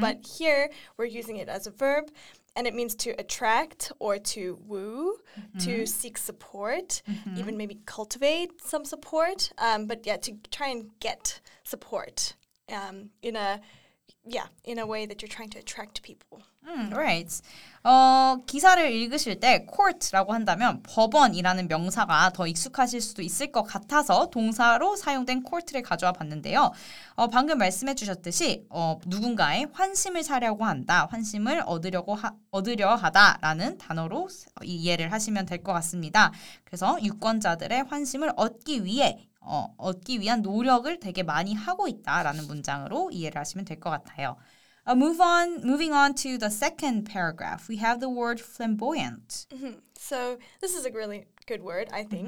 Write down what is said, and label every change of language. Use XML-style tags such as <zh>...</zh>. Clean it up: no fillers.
<en>But here we're using it as a verb, and it means to attract or to woo, to seek support, even maybe cultivate some support. But yeah, to try and get support in a way that you're trying to attract people. Right.</en> <ko>기사를 읽으실 때 court라고 한다면 법원이라는 명사가 더 익숙하실 수도 있을 것 같아서 동사로 사용된 court를 가져와 봤는데요. 방금 말씀해 주셨듯이 누군가의 환심을 사려고 한다, 환심을 얻으려 하다라는 단어로 이해를 하시면 될 것 같습니다. 그래서 유권자들의 환심을 얻기 위해 얻기 위한 노력을 되게 많이 하고 있다라는 문장으로 이해를 하시면 될 것 같아요.</ko> <en>Moving on to the second paragraph, we have the word flamboyant. So this is a really good word, I think.</en>